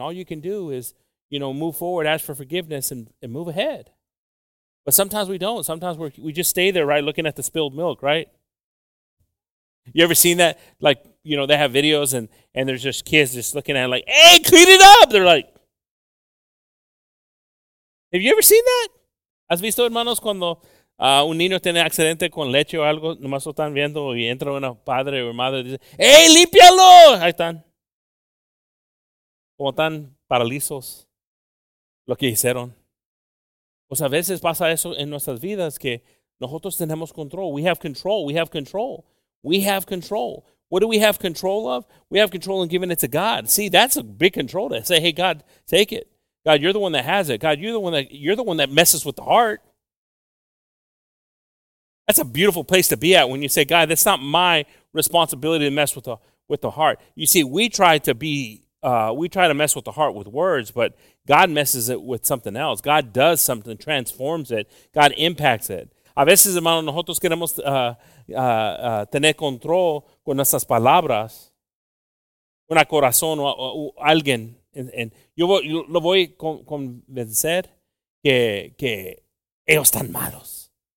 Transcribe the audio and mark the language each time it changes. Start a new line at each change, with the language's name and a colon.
English: All you can do is, you know, move forward, ask for forgiveness, and move ahead. But sometimes we don't. Sometimes we just stay there, right, looking at the spilled milk, right? You ever seen that? Like, you know, they have videos and there's just kids just looking at it like, hey, clean it up! They're like, have you ever seen that?
Spanish: ¿Has visto, hermanos, cuando un niño tiene accidente con leche o algo? Nomás lo están viendo y entra una padre o madre y dice, ¡hey, límpialo! Ahí están. Como están paralizos lo que hicieron. Pues a veces pasa eso en nuestras vidas que nosotros tenemos control.
English: We have control. We have control. We have control. What do we have control of? We have control in giving it to God. See, that's a big control to say, hey, God, take it. God, you're the one that has it. God, you're the one that messes with the heart. That's a beautiful place to be at when you say, God, that's not my responsibility to mess with the heart. You see, we try to mess with the heart with words, but God messes it with something else. God does something, transforms it. God impacts it.
Spanish: A veces, hermano, nosotros queremos tener control con nuestras palabras, con el corazón o alguien. And yo lo voy a convencer que ellos están malos.